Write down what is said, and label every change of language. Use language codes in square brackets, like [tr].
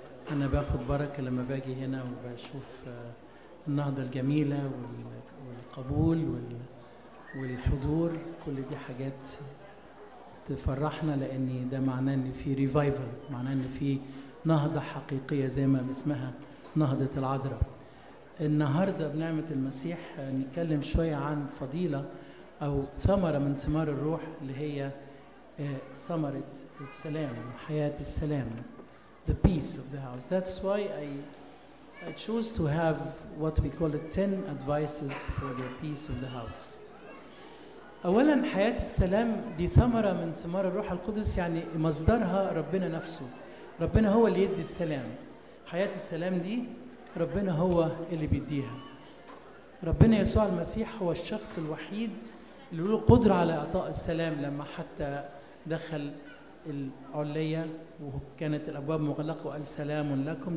[ar] أنا باخد بركة لما باجي هنا وبشوف النهضة الجميلة والقبول والحضور، كل دي حاجات تفرحنا، لأن ده معناه أن في ريفايفل، معناه أن في نهضة حقيقية زي ما اسمها نهضة العذراء. النهاردة بنعمة المسيح نتكلم شوية عن فضيلة أو ثمرة من ثمار الروح، اللي هي ثمرة السلام، حياة السلام، [en] the peace of the house. That's why I choose to have what we call it 10 advices for the peace of the house. [ar] أولا حياة السلام دي ثمرة من ثمار الروح القدس، يعني مصدرها ربنا نفسه، ربنا هو اللي يدي السلام. حياة السلام دي ربنا هو اللي بيديها. ربنا يسوع المسيح هو الشخص الوحيد اللي له قدرة على إعطاء السلام، لما حتى دخل العلية وكانت الأبواب مغلقة وقال سلام لكم.